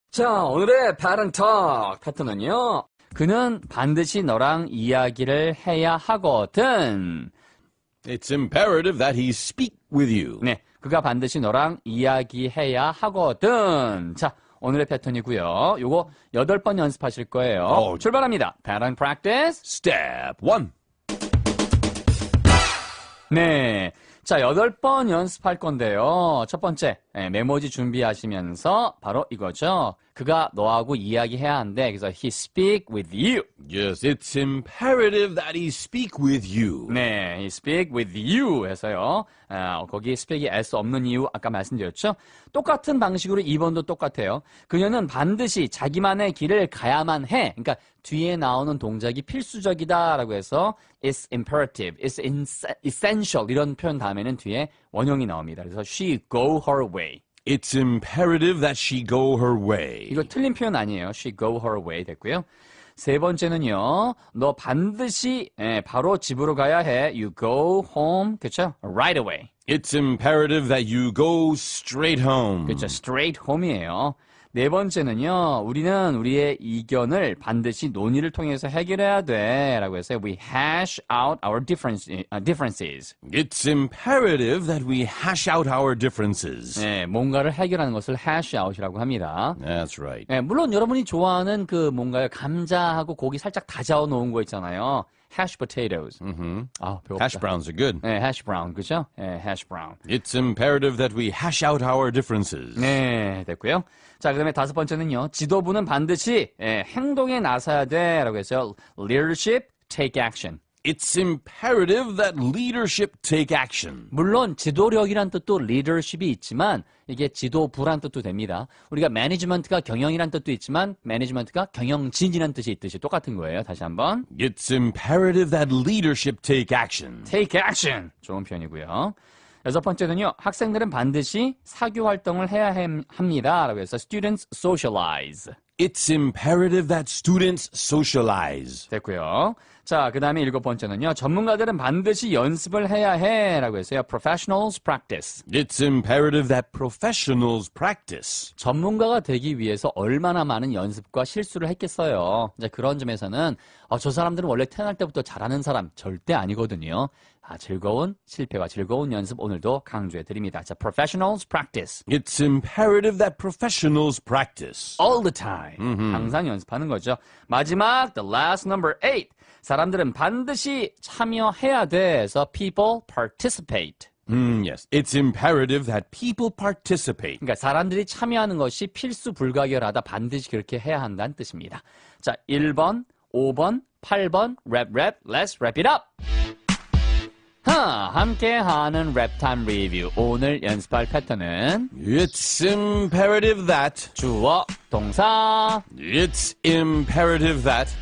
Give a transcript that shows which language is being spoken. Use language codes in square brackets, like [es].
[ko] 자, 오늘의 패턴 터크는요. 그는 반드시 너랑 이야기를 해야 하거든. [en] It's imperative that he speak with you. [ko] 네, 그가 반드시 너랑 이야기해야 하거든. 자, 오늘의 패턴이고요. 요거 8번 연습하실 거예요. Oh, 출발합니다. 패턴 프랙티스 [en] step one. [ko] 네. 자, 8번 연습할 건데요. 첫 번째, 메모지 준비하시면서 바로 이거죠. 그가 너하고 이야기해야 한대. [en] 그래서 he speak with you. Yes, it's imperative that he speak with you. 네, he speak with you 해서요. [ko] 거기 speak이 S 없는 이유 아까 말씀드렸죠. 똑같은 방식으로 2번도 똑같아요. 그녀는 반드시 자기만의 길을 가야만 해. 그러니까 뒤에 나오는 동작이 필수적이다라고 해서 [en] it's imperative, it's essential [ko] 이런 표현 다음에는 뒤에 원형이 나옵니다. [en] 그래서 she go her way. It's imperative that she go her way. [ko] 이거 틀린 표현 아니에요. [en] She go her way 됐고요. [ko] 세 번째는요, 너 반드시 바로 집으로 가야 해. [en] You go home, 그쵸? Right away. It's imperative that you go straight [ko] 그쵸? [en] home. Straight home이에요. [ko] 네 번째는요, 우리는 우리의 이견을 반드시 논의를 통해서 해결해야 돼. [en] 라고 해서 we hash out our differences. It's imperative that we hash out our differences. [ko] 네, 뭔가를 해결하는 것을 hash out이라고 합니다. [en] That's right. [ko] 네, 물론 여러분이 좋아하는 그 뭔가요, 감자하고 고기 살짝 다져 놓은 거 있잖아요. [en] Hash potatoes. 아, Hash browns are good. [ko] 네, hash brown, 그죠? 네, hash brown. [en] It's imperative that we hash out our differences. [ko] 네, 됐고요. 자, 그다음에 다섯 번째는요. 지도부는 반드시 행동에 나서야 돼라고 했어요. [en] Leadership, take action. It's imperative that leadership take action. [ko] 물론 지도력이란 뜻도 leadership이 있지만 이게 지도부란 뜻도 됩니다. 우리가 management가 경영이란 뜻도 있지만 management가 경영진이란 뜻이 있듯이 똑같은 거예요. 다시 한번. [en] It's imperative that leadership take action. Take action. [ko] 좋은 표현이고요. 여섯 번째는요. 학생들은 반드시 사교 활동을 해야 합니다라고 해서 [en] students socialize. It's imperative that students socialize. [ko] 됐고요. 자, 그다음에 일곱 번째는요. 전문가들은 반드시 연습을 해야 해라고 했어요. [en] Professionals practice. It's imperative that professionals practice. [ko] 전문가가 되기 위해서 얼마나 많은 연습과 실수를 했겠어요. 이제 그런 점에서는 저 사람들은 원래 태어날 때부터 잘하는 사람 절대 아니거든요. 아, 즐거운 실패와 즐거운 연습 오늘도 강조해 드립니다. [en] 자, professionals practice. It's imperative that professionals practice. All the time. [ko] 항상 연습하는 거죠. [en] 마지막, the last number eight. [ko] 사람들은 반드시 참여해야 돼서 [en] people participate. Yes. It's imperative that people participate. [ko] 그러니까 사람들이 참여하는 것이 필수 불가결하다. 반드시 그렇게 해야 한다는 뜻입니다. [en] 자, 1번, 5번, 8번, rap, let's wrap it up. [ko] 함께하는 랩타임 리뷰. 오늘 연습할 패턴은 [en] It's imperative that [ko] 주어, 동사. [en] It's imperative that